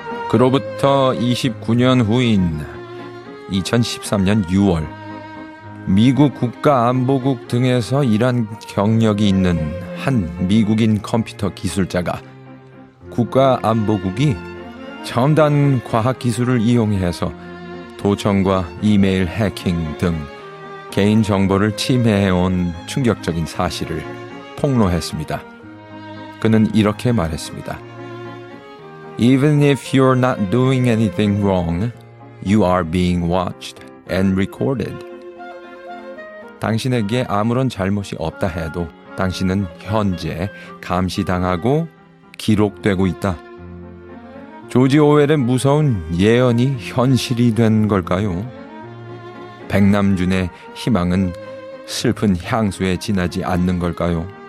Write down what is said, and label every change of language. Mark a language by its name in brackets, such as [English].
[Korean] 그로부터 29년 후인 2013년 6월 미국 국가안보국 등에서 일한 경력이 있는 한 미국인 컴퓨터 기술자가 국가안보국이 첨단 과학기술을 이용해서 도청과 이메일 해킹 등 개인정보를 침해해온 충격적인 사실을 폭로했습니다. 그는 이렇게 말했습니다. [English] Even if you're not doing anything wrong, you are being watched and recorded. [Korean] 당신에게 아무런 잘못이 없다 해도 당신은 현재 감시당하고 기록되고 있다. 조지 오웰의 무서운 예언이 현실이 된 걸까요? 백남준의 희망은 슬픈 향수에 지나지 않는 걸까요?